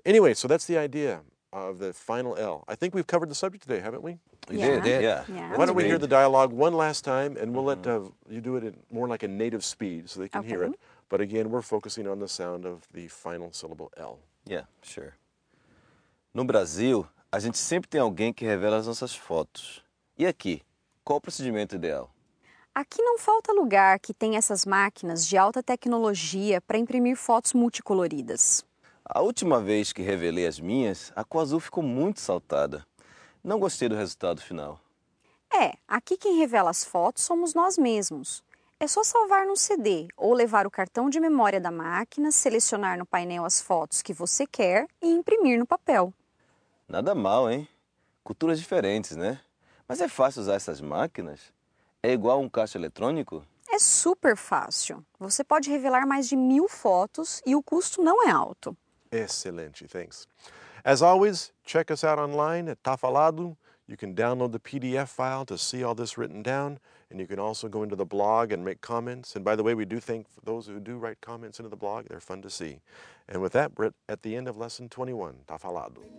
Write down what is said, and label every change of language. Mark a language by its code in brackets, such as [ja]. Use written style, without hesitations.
[en] Anyway, so that's the idea of the final L. I think we've covered the subject today, haven't we? Yeah. Why don't we hear the dialogue one last time, and we'll mm-hmm. let you do it in more like a native speed so they can hear it. But again, we're focusing on the sound of the final syllable L. Yeah, sure. [pt] No Brasil, a gente sempre tem alguém que revela as nossas fotos. E aqui, qual o procedimento ideal? Aqui não falta lugar que tenha essas máquinas de alta tecnologia para imprimir fotos multicoloridas. A última vez que revelei as minhas, a cor azul ficou muito saltada. Não gostei do resultado final. É, aqui quem revela as fotos somos nós mesmos. É só salvar num CD ou levar o cartão de memória da máquina, selecionar no painel as fotos que você quer e imprimir no papel. Nada mal, hein? Culturas diferentes, né? Mas é fácil usar essas máquinas? É igual um caixa eletrônico? É super fácil. Você pode revelar mais de 1,000 fotos e o custo não é alto. [en] Excelente, thanks. As always, check us out online at Tá Falado. You can download the PDF file to see all this written down. And you can also go into the blog and make comments. And by the way, we do thank those who do write comments into the blog. They're fun to see. And with that, we're at the end of lesson 21. Tá Falado.